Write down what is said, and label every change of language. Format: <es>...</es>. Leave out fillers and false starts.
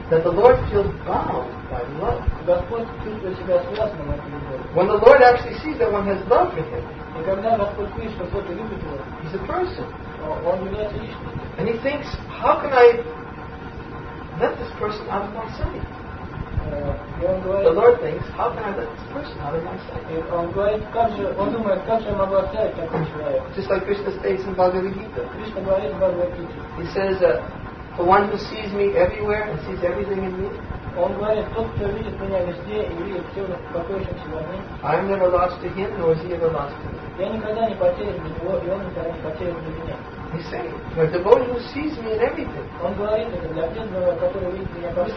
<en>That the Lord feels bound by love.</en> <ru>Господь чувствует себя связанным этой любовью.</ru> <en>When the Lord actually sees that one has love for him,</en> <ru>и когда Господь видит, что кто-то любит его,</ru> <en>he's a person.</en> <ru>Он является личностью.</ru> <en>And he thinks, how can I let this person out of my sight? The Lord thinks, how can I let this person out of my sight?</en> <ru>Он говорит, как же, он думает, как же я могу оставить такого человека?</ru> <en>Just like Krishna states in Bhagavad Gita.</en> <ru>Krishna говорит в Bhagavad Gita.</ru> <en>He says, for one who sees me everywhere and sees everything in me.</en> <ru>Он говорит, тот, кто видит меня везде и видит все успокоившихся во мне.</ru> <en>I'm never lost to him, nor is he ever lost to me.</en> <ru>Я никогда не потерян для него, и он никогда не потерян для меня.</ru> <en>He's saying, for a devotee who sees me in everything.</en> <ru>Он говорит это для преданного, который видит меня во всем.</ru>